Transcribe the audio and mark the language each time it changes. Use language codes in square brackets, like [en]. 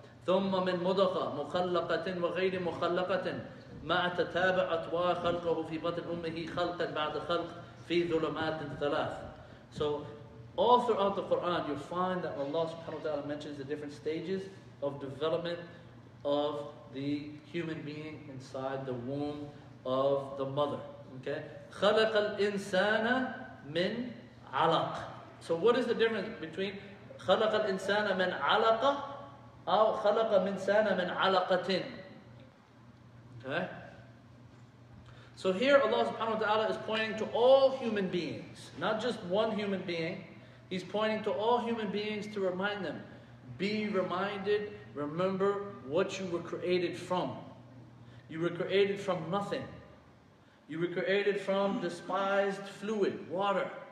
[ar] ثُمَّ مِنْ مُضَغَةٍ مُخَلَّقَةٍ وَغَيْرِ مُخَلَّقَةٍ مَعَ تَتَابَعِ أَطْوَارِ خَلْقِهِ فِي بَطْنِ أُمِّهِ خَلْقًا بَعْدَ خَلْقٍ فِي ظُلُمَاتٍ ثَلَاثٍ. [en] So all throughout the Quran, you find that Allah subhanahu wa ta'ala mentions the different stages of development of the human being inside the womb of the mother. Okay? [ar] خَلَقَ الْإِنسَانَ مِنْ عَلَقٍ. [en] So what is the difference between [ar] خَلَقَ الْإِنسَانَ مِنْ عَلَقَ أو خَلَقَ الْإِنسَانَ مِنْ عَلَقَةٍ. [en] Okay? So here Allah subhanahu wa ta'ala is pointing to all human beings, not just one human being. He's pointing to all human beings to remind them, be reminded, remember what you were created from. You were created from nothing. You were created from despised fluid, water.